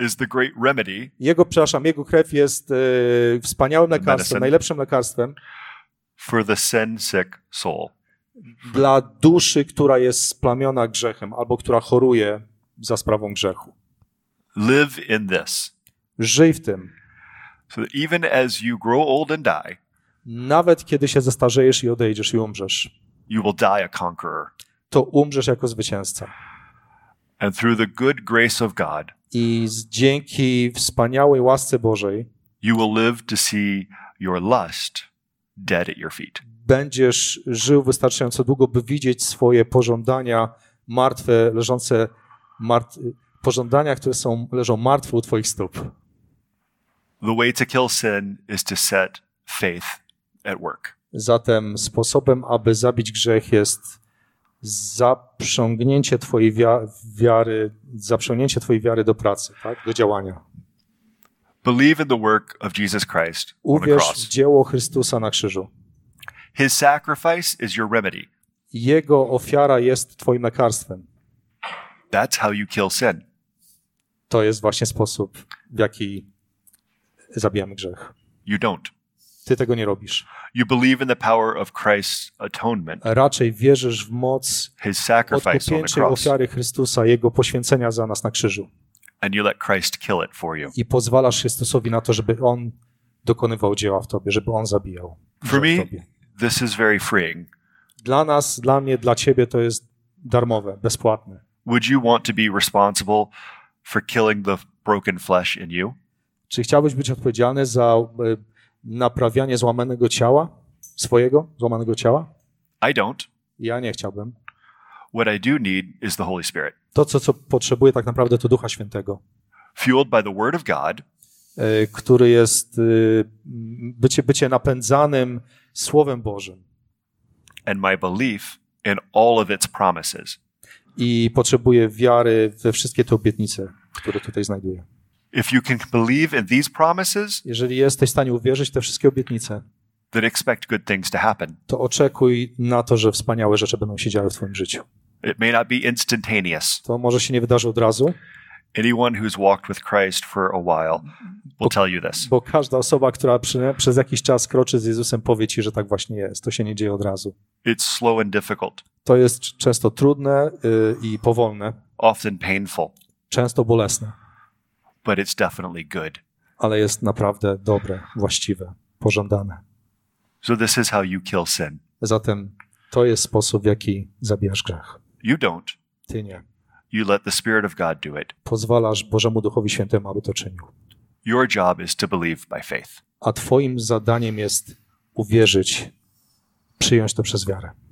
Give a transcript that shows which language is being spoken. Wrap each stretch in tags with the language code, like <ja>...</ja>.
<en>is the great remedy.</en> <pl>Jego, przepraszam, jego krew jest wspaniałym lekarstwem, najlepszym lekarstwem</pl> <en>for the sin sick soul.</en> <pl>Dla duszy, która jest splamiona grzechem albo która choruje za sprawą grzechu.</pl> <en>Live in this.</en> <pl>Żyj w tym.</pl> <en>So that even as you grow old and die,</en> <pl>nawet kiedy się zestarzejesz i odejdziesz i umrzesz,</pl> <en>you will die a conqueror,</en> <pl>to umrzesz jako zwycięzca.</pl> <en>And through the good grace of God,</en> <pl>i dzięki wspaniałej łasce Bożej,</pl> <en>you will live to see your lust dead at your feet.</en> <pl>Będziesz żył wystarczająco długo, by widzieć swoje pożądania martwe, leżące pożądania, które są leżą martwe u twoich stóp.</pl> <en>The way to kill sin is to set faith at work.</en> <pl>Zatem sposobem, aby zabić grzech, jest zaprzągnięcie twojej wiary, zaprzągnięcie twojej wiary do pracy, tak? Do działania.</pl> <en>Believe in the work of Jesus Christ on the cross.</en> <pl>Uwierz w dzieło Chrystusa na krzyżu.</pl> <en>His sacrifice is your remedy.</en> <pl>Jego ofiara jest twoim lekarstwem.</pl> <en>That's how you kill sin.</en> <pl>To jest właśnie sposób, w jaki zabijamy grzech.</pl> <en>You don't.</en> <pl>Ty tego nie robisz.</pl> <en>You believe in the power of Christ's atonement.</en> <pl>Raczej wierzysz w moc</pl> <en>his sacrifice on the cross.</en> <pl>Ofiary Chrystusa, jego poświęcenia za nas na krzyżu.</pl> <en>And you let Christ kill it for you.</en> <pl>I pozwalasz Chrystusowi na to, żeby on dokonywał dzieła w tobie, żeby on zabijał.</pl> <en>For me, this is very freeing.</en> <pl>Dla nas, dla mnie, dla ciebie to jest darmowe, bezpłatne.</pl> <en>Would you want to be responsible for killing the broken flesh in you?</en> <pl>Czy chciałbyś być odpowiedzialny za naprawianie złamanego ciała? Swojego złamanego ciała?</pl> <en>I don't.</en> <pl>Ja nie chciałbym.</pl> <en>What I do need is the Holy Spirit.</en> <pl>To, co potrzebuję tak naprawdę, to Ducha Świętego.</pl> <en>Fueled by the Word of God.</en> <pl>Który jest bycie napędzanym Słowem Bożym.</pl> <en>And my belief in all of its promises.</en> <pl>I potrzebuję wiary we wszystkie te obietnice, które tutaj znajduję.</pl> <en>If you can believe in these promises,</en> <pl>jeżeli jesteś w stanie uwierzyć te wszystkie obietnice,</pl> <en>then expect good things to happen.</en> <pl>To oczekuj na to, że wspaniałe rzeczy będą się działy w twoim życiu.</pl> <en>It may not be instantaneous.</en> <pl>To może się nie wydarzy od razu.</pl> <en>Anyone who's walked with Christ for a while will tell you this.</en> <pl>Bo każda osoba, która przez jakiś czas kroczy z Jezusem, powie ci, że tak właśnie jest. To się nie dzieje od razu.</pl> <en>It's slow and difficult.</en> <pl>To jest często trudne i powolne.</pl> <en>Often painful.</en> <pl>Często bolesne.</pl> <en>But it's definitely good.</en> <pl>Ale jest naprawdę dobre, właściwe, pożądane.</pl> <en>So this is how you kill sin.</en> <pl>Zatem to jest sposób, w jaki zabijasz grzech.</pl> <en>You don't.</en> <pl>Ty nie.</pl> <en>You let the Spirit of God do it.</en> <pl>Pozwalasz Bożemu Duchowi Świętemu, aby to czynił.</pl> <en>Your job is to believe by faith.</en> <pl>A twoim zadaniem jest uwierzyć, przyjąć to przez wiarę.</pl>